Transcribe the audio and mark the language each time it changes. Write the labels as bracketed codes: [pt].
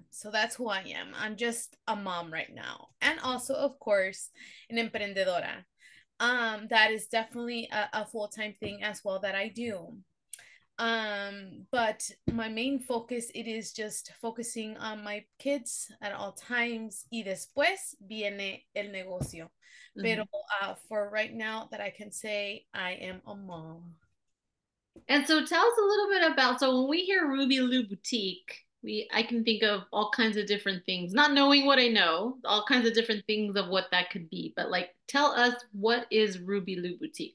[en] So that's who I am. I'm just a mom right now. And also, of course, an emprendedora. That is definitely a full-time thing as well that I do. But my main focus, it is just focusing on my kids at all times. [es] Y después viene el negocio. [en] Pero for right now that I can say I am a mom. And so tell us a little bit about, so when we hear Rubylu Boutique, I can think of all kinds of different things, not knowing what I know, all kinds of different things of what that could be. But like, tell us, what is Rubylu Boutique?